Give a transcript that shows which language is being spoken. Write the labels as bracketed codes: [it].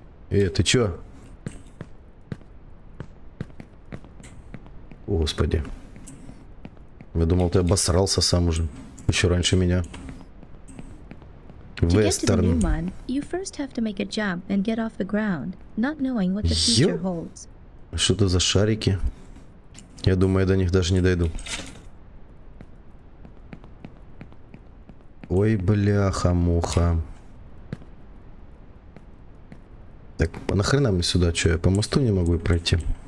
[ru] Эй, ты чё? Господи. Я думал, ты обосрался сам уже. Еще раньше меня. Вестерн. [en] To get to the new one, you first have to make a jump and get off the ground, not knowing what the future holds. [ru] Что-то за шарики. Я думаю, я до них даже не дойду. Ой, бляха-муха. Так, нахрена мне сюда, что я по мосту не могу пройти?